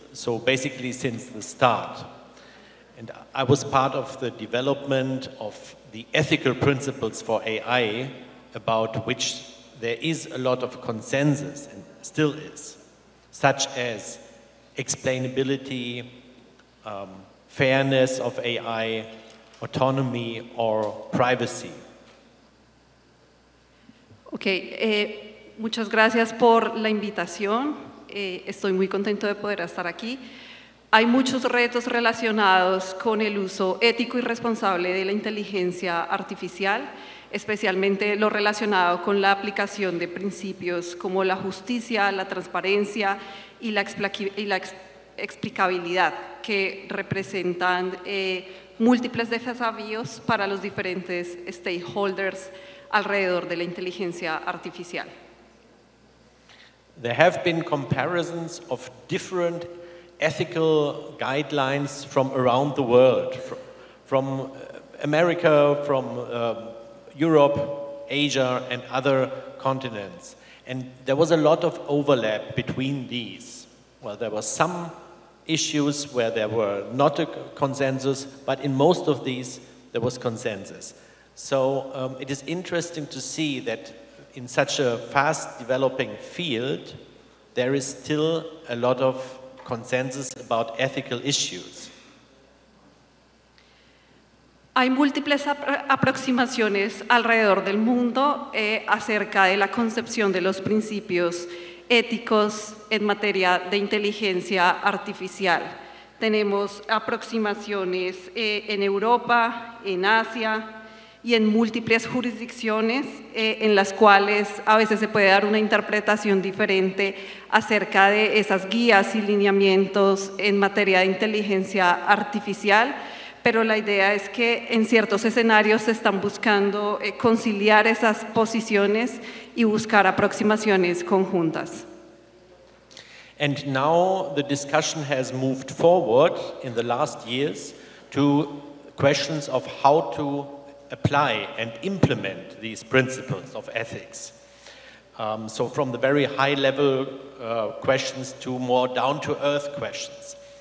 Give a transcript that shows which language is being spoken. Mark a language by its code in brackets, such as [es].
[en] So basically since the start. And I was part of the development of the ethical principles for AI, about which there is a lot of consensus and still is, such as explainability, fairness of AI, autonomy or privacy. [es] Okay, muchas gracias por la invitación. Estoy muy contento de poder estar aquí. Hay muchos retos relacionados con el uso ético y responsable de la inteligencia artificial, especialmente lo relacionado con la aplicación de principios como la justicia, la transparencia y la explicabilidad que representan múltiples desafíos para los diferentes stakeholders alrededor de la inteligencia artificial. [en] There have been comparisons of different ethical guidelines from around the world, from America, from Europe, Asia, and other continents. And there was a lot of overlap between these. Well, there were some issues where there were not a consensus, but in most of these, there was consensus. So it is interesting to see that in such a fast developing field, there is still a lot of consensus about ethical issues. [es] Hay múltiples aproximaciones alrededor del mundo acerca de la concepción de los principios éticos en materia de inteligencia artificial. Tenemos aproximaciones en Europa, en Asia y en múltiples jurisdicciones en las cuales a veces se puede dar una interpretación diferente acerca de esas guías y lineamientos en materia de inteligencia artificial. Pero la idea es que en ciertos escenarios se están buscando conciliar esas posiciones y buscar aproximaciones conjuntas. [en] And now the discussion has moved forward in the last years to questions of how to apply and implement these principles of ethics. So from the very high level questions to more down to earth questions.